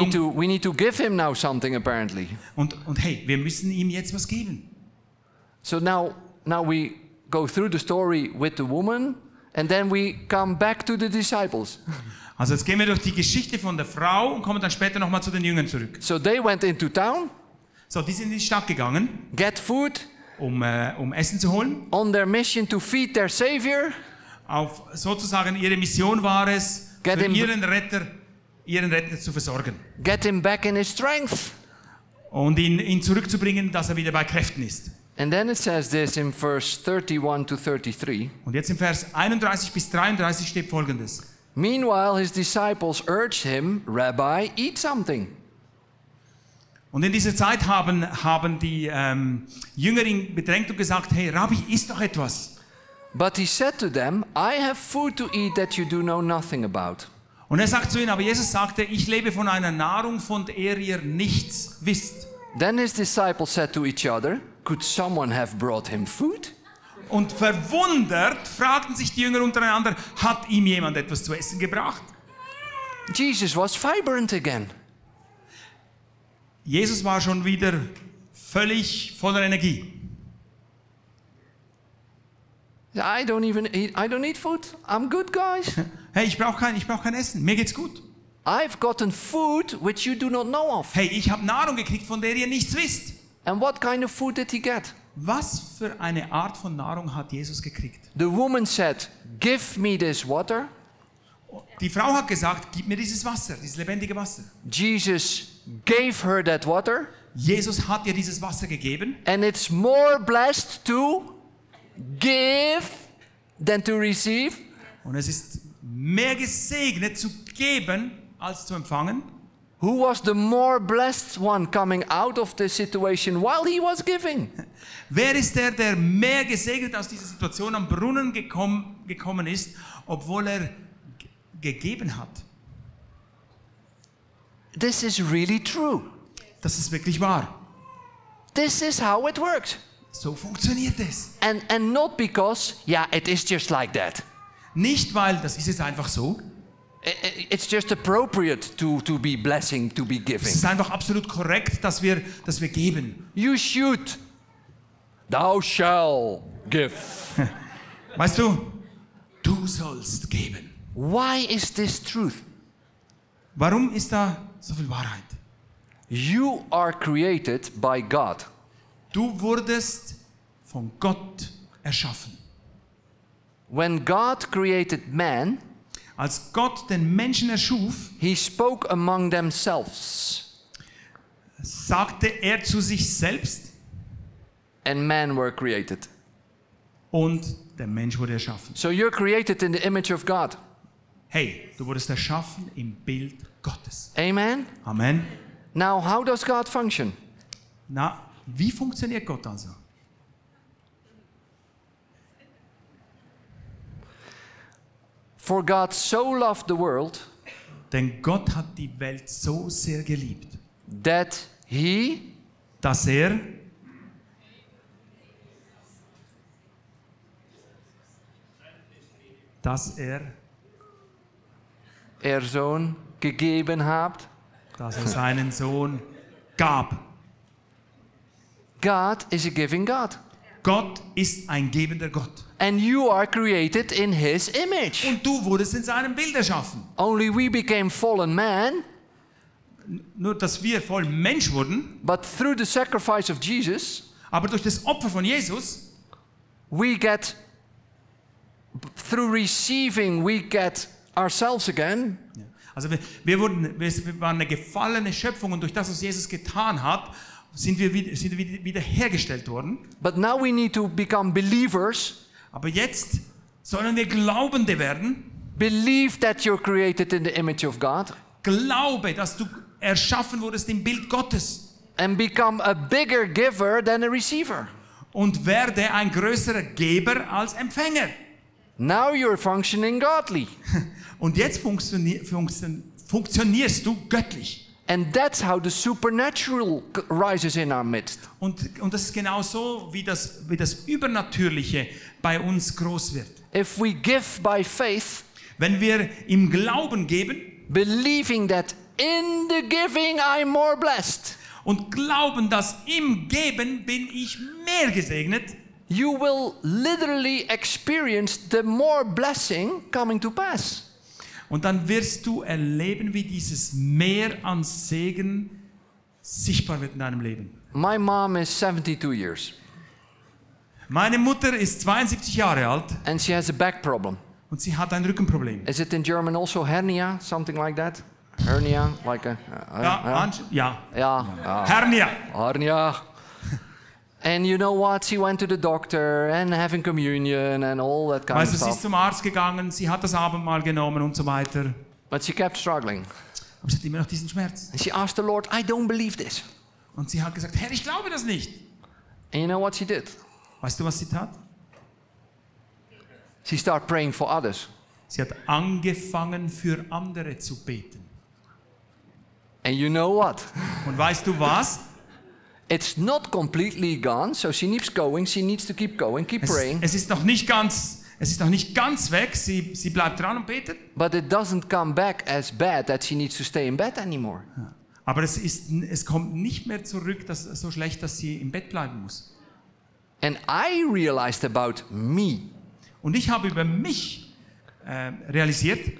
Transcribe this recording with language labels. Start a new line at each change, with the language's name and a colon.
English: And we need to give him now something apparently.
German: Und hey, wir müssen ihm jetzt was geben.
English: So now we go through the story with the woman and then we come back to the disciples.
German: Also jetzt gehen wir durch die Geschichte von der Frau und kommen dann später nochmal zu den Jüngern zurück.
English: So they went into town.
German: So die sind in die Stadt gegangen.
English: Get food.
German: Um Essen zu holen.
English: On their mission to feed their Savior.
German: Auf sozusagen ihre Mission war es, ihren Retter zu versorgen.
English: Get him back in his strength.
German: Und ihn zurückzubringen, dass er wieder bei Kräften ist.
English: And then it says this in verse 31 to 33.
German: Und jetzt im Vers 31 bis 33 steht folgendes.
English: Meanwhile his disciples urged him, Rabbi, eat something.
German: Und in dieser Zeit haben die Jünger ihn bedrängt und gesagt, hey, Rabbi, iss doch etwas.
English: But he said to them, I have food to eat that you do know nothing about.
German: Und er sagt zu ihnen, aber Jesus sagte, ich lebe von einer Nahrung, von der ihr nichts wisst.
English: Then his disciples said to each other, could someone have brought him food?
German: Und verwundert fragten sich die Jünger untereinander, hat ihm jemand etwas zu essen gebracht?
English: Jesus was vibrant again.
German: Jesus war schon wieder völlig voller Energie.
English: I don't need food. I'm good, guys.
German: Hey, ich brauche kein Essen. Mir geht's gut.
English: I've gotten food which you do not know of.
German: Hey, ich habe Nahrung gekriegt, von der ihr nichts wisst.
English: And what kind of food did he get?
German: Was für eine Art von Nahrung hat Jesus gekriegt?
English: The woman said, "Give me this water."
German: Die Frau hat gesagt, gib mir dieses Wasser, dieses lebendige Wasser.
English: Jesus gave her that water.
German: Jesus hat ihr dieses Wasser gegeben.
English: And it's more blessed to give than to receive.
German: Und es ist mehr gesegnet zu geben als zu empfangen.
English: Who was the more blessed one coming out of the situation while he was giving?
German: Wer ist der mehr gesegnet aus dieser Situation am Brunnen gekommen ist, obwohl er gegeben hat?
English: This is really true.
German: Das ist wirklich wahr.
English: This is how it works.
German: So funktioniert es.
English: And not because, yeah, it is just like that.
German: Nicht weil, das ist jetzt einfach so.
English: It's just appropriate to be blessing, to be giving.
German: Es ist einfach absolut korrekt, dass wir geben.
English: You should. Thou shall give.
German: Weißt du? Du sollst geben.
English: Why is this truth?
German: Warum ist da so viel Wahrheit?
English: You are created by God.
German: Du wurdest von Gott erschaffen.
English: When God created man,
German: als Gott den Menschen erschuf,
English: he spoke among themselves.
German: Sagte er zu sich selbst.
English: And men were created.
German: Und der Mensch wurde erschaffen.
English: So you're created in the image of God.
German: Hey, du wurdest erschaffen im Bild Gottes.
English: Amen.
German: Amen.
English: Now, how does God function?
German: Na, wie funktioniert Gott also?
English: For God so loved the world,
German: denn Gott hat die Welt so sehr geliebt,
English: that he,
German: dass er, dass er Sohn gegeben hat, dass er seinen Sohn gab.
English: God is a giving God.
German: Gott ist ein gebender Gott.
English: And you are created in his image.
German: Und du wurdest in seinem Bild erschaffen.
English: Only we became fallen man.
German: Nur dass wir fallen Mensch wurden.
English: But through the sacrifice of Jesus,
German: aber durch das Opfer von Jesus,
English: we get through receiving we get ourselves again.
German: Also wir waren eine gefallene Schöpfung und durch das, was Jesus getan hat, sind wir wieder hergestellt worden.
English: But now we need to become believers.
German: Aber jetzt sollen wir Glaubende werden.
English: Believe that you're created in the image of God.
German: Glaube, dass du erschaffen wurdest im Bild Gottes.
English: And become a bigger giver than a receiver.
German: Und werde ein größerer Geber als Empfänger.
English: Now you're functioning godly.
German: Und jetzt funktionierst du göttlich.
English: And that's how the supernatural rises in our midst.
German: Und das ist genau so, wie das Übernatürliche bei uns groß wird.
English: If we give by faith,
German: wenn wir im Glauben geben,
English: believing that in the giving I'm more blessed,
German: und glauben, dass im Geben bin ich mehr gesegnet,
English: you will literally experience the more blessing coming to pass.
German: Und dann wirst du erleben, wie dieses Meer an Segen sichtbar wird in deinem Leben.
English: My mom is 72 years.
German: Meine Mutter ist 72 Jahre alt.
English: And she has a back problem.
German: Und sie hat ein Rückenproblem.
English: Is it in German also hernia, something like that? Hernia, like a... Hernia. Hernia. And you know what? She went to the doctor and having communion and all that kind of stuff.
German: Sie ist zum Arzt gegangen, sie hat das Abendmahl genommen und so weiter.
English: But she kept struggling.
German: Aber sie hat immer noch diesen Schmerz.
English: And she asked the Lord, I don't believe this.
German: Und sie hat gesagt, Herr, ich glaube das nicht.
English: And you know what she did?
German: Weißt du, was sie tat?
English: She started praying for others.
German: Sie hat angefangen, für andere zu beten.
English: And you know what?
German: Und weißt du was?
English: It's not completely gone, so she keeps going, she needs to keep going, keep praying.
German: Es ist noch nicht ganz, Es ist noch nicht ganz weg. Sie bleibt dran und betet.
English: But it doesn't come back as bad that she needs to stay in bed anymore.
German: Aber es kommt nicht mehr zurück, dass so schlecht, dass sie im Bett bleiben muss.
English: And I realized about me.
German: Und ich habe über mich realisiert,